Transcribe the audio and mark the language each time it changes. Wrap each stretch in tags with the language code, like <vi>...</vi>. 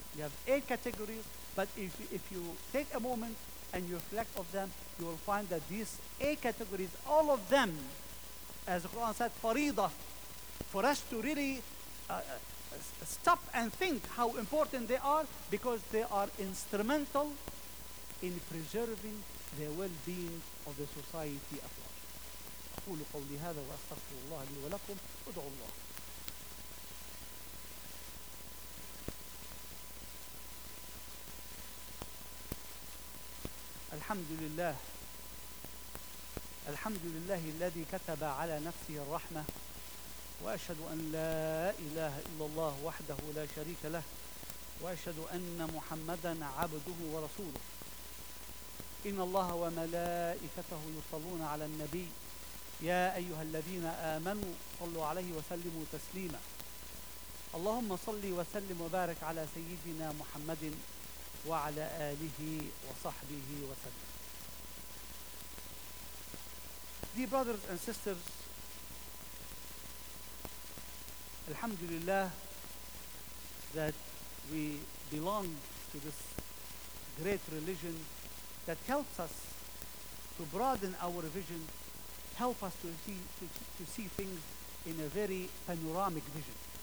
<en>You have 8 categories, but if you take a moment and you reflect of them, you will find that these 8 categories, all of them, as the Quran said, farida, for us to really stop and think how important they are, because they are instrumental in preserving the well-being of the society at large.</en> <ar>أقول قولي هذا وأستغفر الله لي ولكم وادعو الله. الحمد لله. الحمد لله الذي كتب على نفسه الرحمة وأشهد أن لا إله إلا الله وحده لا شريك له وأشهد أن محمدا عبده ورسوله. إن الله وملائكته يصلون على النبي يا أيها الذين آمنوا صلوا عليه وسلموا تسليما. اللهم صل وسلم وبارك على سيدنا محمد وعلى آله وصحبه وسلم.</ar> <en>Dear brothers and sisters,</en> <ar>الحمد لله</ar> <en>that we belong to this great religion that helps us to broaden our vision, help us to see things in a very panoramic vision.</en>